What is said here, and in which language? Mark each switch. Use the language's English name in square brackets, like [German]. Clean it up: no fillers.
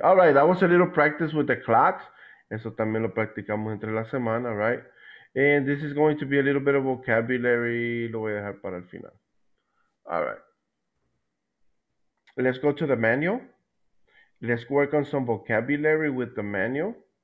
[English] All right, that was a little practice with the clocks. [Spanish] Eso también lo practicamos entre la semana, right? [English] And this is going to be a little bit of vocabulary. [Spanish] Lo voy a dejar para el final. [English] All right. Let's go to the manual. Let's work on some vocabulary with the manual.